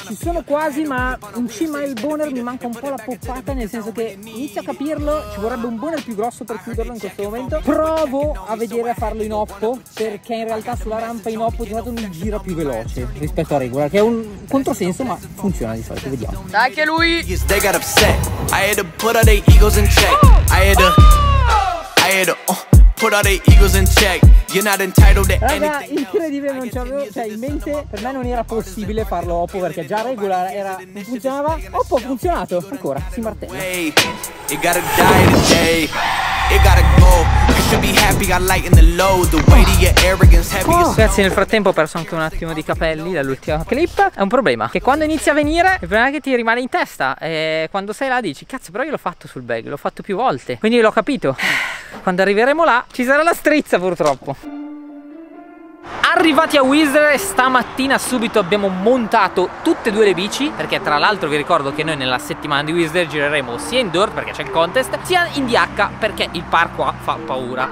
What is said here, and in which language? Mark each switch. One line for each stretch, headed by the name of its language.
Italian: Ci sono quasi, ma in cima il boner mi manca un po' la poppata, nel senso che inizio a capirlo. Ci vorrebbe un boner più grosso per chiuderlo in questo momento. Provo a vedere a farlo in oppo, perché in realtà sulla rampa in oppo di fatto mi gira più veloce rispetto a regular, che è un controsenso, ma funziona di solito. Vediamo. Dai che lui.
English: Upset. I had to put all their egos in check. I had to, I had to put all their egos in check. You're not entitled to anything.
Italian: Raga, incredibile, non ci avevo, cioè in mente per me non era possibile farlo oppo, perché già regular era, non funzionava. Oppo ha funzionato, ancora, si martella.
English: You gotta die today. It gotta go. You should be happy. I lighten the load. The weight of your arrogance heavy.
Italian: Ragazzi, nel frattempo ho perso anche un attimo di capelli dall'ultima clip. È un problema, che quando inizia a venire, il problema è che ti rimane in testa. E quando sei là dici: cazzo, però io l'ho fatto sul bag, l'ho fatto più volte. Quindi l'ho capito. Quando arriveremo là, ci sarà la strizza, purtroppo. Arrivati a Whistler, stamattina subito abbiamo montato tutte e due le bici, perché tra l'altro vi ricordo che noi nella settimana di Whistler gireremo sia in dirt, perché c'è il contest, sia in DH, perché il park qua fa paura.